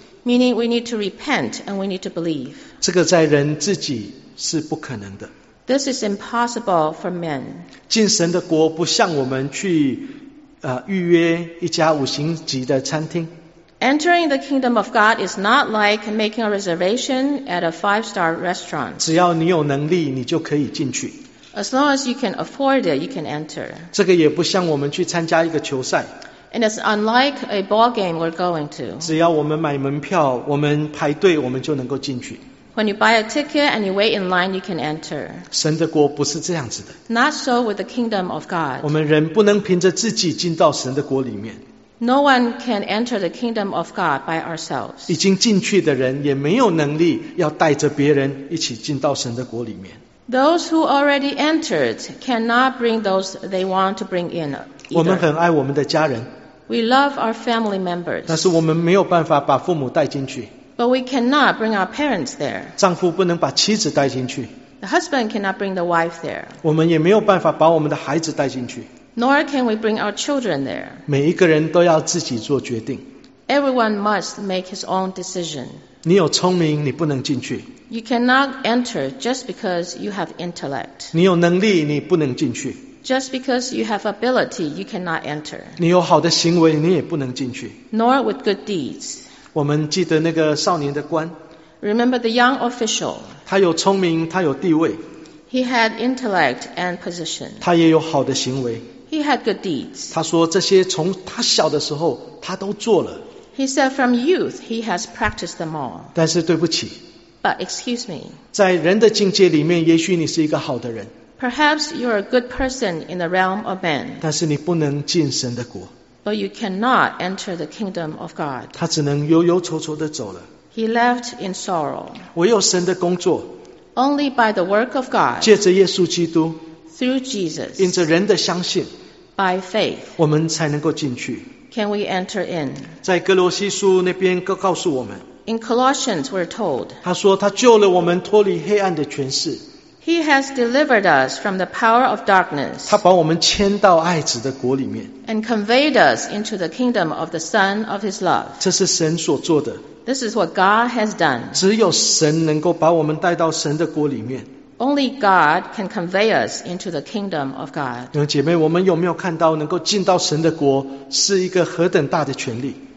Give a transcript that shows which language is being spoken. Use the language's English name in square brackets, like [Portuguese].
[English] Meaning we need to repent and we need to believe. [Chinese] 这个在人自己是不可能的。 [English] This is impossible for men. [Chinese] 进神的国不像我们去预约一家五星级的餐厅。 [English] Entering the kingdom of God is not like making a reservation at a five-star restaurant. [Chinese] 只要你有能力，你就可以进去。 [English] As long as you can afford it, you can enter. [Chinese] 这个也不像我们去参加一个球赛。 [English] And it's unlike a ball game we're going to. [Chinese] 只要我们买门票，我们排队，我们就能够进去。 [English] When you buy a ticket and you wait in line, you can enter. [Chinese] 神的国不是这样子的。 [English] Not so with the kingdom of God. [Chinese] 我们人不能凭着自己进到神的国里面。 [English] No one can enter the kingdom of God by ourselves. [Chinese] 已经进去的人也没有能力要带着别人一起进到神的国里面。 [English] Those who already entered cannot bring those they want to bring in either. [Chinese] 我们很爱我们的家人。 [English] We love our family members. [Chinese] 但是我们没有办法把父母带进去。 [English] But we cannot bring our parents there. [Chinese] 丈夫不能把妻子带进去。 [English] The husband cannot bring the wife there. [Chinese] 我们也没有办法把我们的孩子带进去。 [English] Nor can we bring our children there. [Chinese] 每一个人都要自己做决定。 [English] Everyone must make his own decision. [Chinese] 你有聪明，你不能进去。 [English] You cannot enter just because you have intellect. [Chinese] 你有能力，你不能进去。 [English] Just because you have ability, you cannot enter. [Chinese] 你有好的行为，你也不能进去。 [English] Nor with good deeds. [Chinese] 我们记得那个少年的官。 [English] Remember the young official. [Chinese] 他有聪明，他有地位。 [English] He had intellect and position. [Chinese] 他也有好的行为。 [English] He had good deeds. [Chinese] 他说这些从他小的时候他都做了。 [English] He said from youth he has practiced them all. [Chinese] 但是对不起。 [English] But excuse me. [Chinese] 在人的境界里面也许你是一个好的人。 [English] Perhaps you're a good person in the realm of men. [Chinese] 但是你不能进神的国。 [English] But you cannot enter the kingdom of God. [Chinese] 他只能忧忧愁愁地走了。 [English] He left in sorrow. [Chinese] 唯有神的工作。 [English] Only by the work of God, [Chinese] 借着耶稣基督 [English] through Jesus, [Chinese] 因着人的相信 [English] by faith, [Chinese] 我们才能够进去 [English] can we enter in? [Chinese] 在哥罗西书那边告诉我们 [English] in Colossians we're told, [Chinese] 他说他救了我们脱离黑暗的权势 [English] he has delivered us from the power of darkness, [Chinese] 他把我们迁到爱子的国里面 [English] and conveyed us into the kingdom of the Son of his love, [Chinese] 这是神所做的 [English] This is what God has done. [Chinese] 只有神能够把我们带到神的国里面。 [English] Only God can convey us into the kingdom of God. [Chinese] 弟兄姐妹，我们有没有看到能够进到神的国是一个何等大的权利？